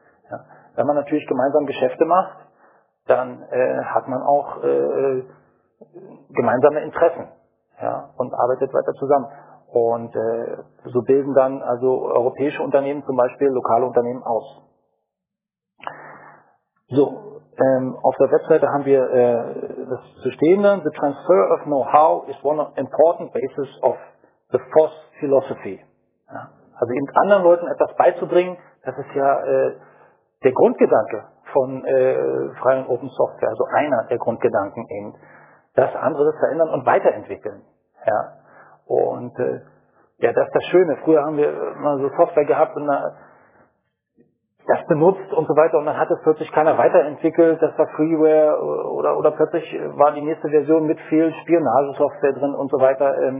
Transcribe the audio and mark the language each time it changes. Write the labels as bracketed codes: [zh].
[de] Ja, wenn man natürlich gemeinsam Geschäfte macht, dann hat man auch gemeinsame Interessen, ja, und arbeitet weiter zusammen. Und so bilden dann also europäische Unternehmen zum Beispiel lokale Unternehmen aus. So, auf der Webseite haben wir das zu stehen dann. [en] The transfer of know-how is one important basis of the FOSS philosophy. [de] Ja, also eben anderen Leuten etwas beizubringen, das ist ja der Grundgedanke von freien Open Software, also einer der Grundgedanken eben, dass andere das verändern und weiterentwickeln. Ja. Und ja, das ist das Schöne. Früher haben wir mal so Software gehabt und das benutzt und so weiter und dann hat es plötzlich keiner weiterentwickelt, das war Freeware oder plötzlich war die nächste Version mit viel Spionagesoftware drin und so weiter.